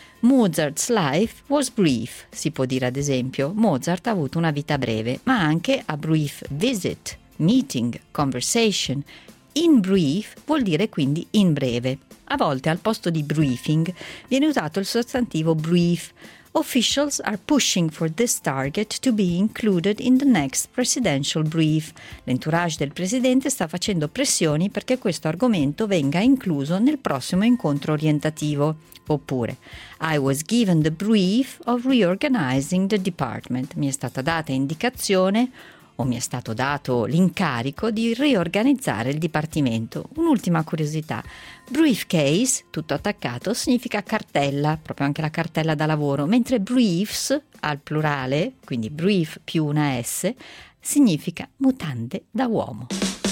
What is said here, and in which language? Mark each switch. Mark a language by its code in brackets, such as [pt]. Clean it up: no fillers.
[en] Mozart's life was brief, [it] si può dire ad esempio. Mozart ha avuto una vita breve, ma anche [en] a brief visit, meeting, conversation. [it] In brief vuol dire quindi in breve. A volte al posto di briefing viene usato il sostantivo brief. [en] Officials are pushing for this target to be included in the next presidential brief. [it] L'entourage del presidente sta facendo pressioni perché questo argomento venga incluso nel prossimo incontro orientativo. Oppure, [en] I was given the brief of reorganizing the department. [it] Mi è stata data indicazione o mi è stato dato l'incarico di riorganizzare il dipartimento. Un'ultima curiosità. Briefcase, tutto attaccato, significa cartella, proprio anche la cartella da lavoro, mentre briefs, al plurale, quindi brief più una S, significa mutande da uomo.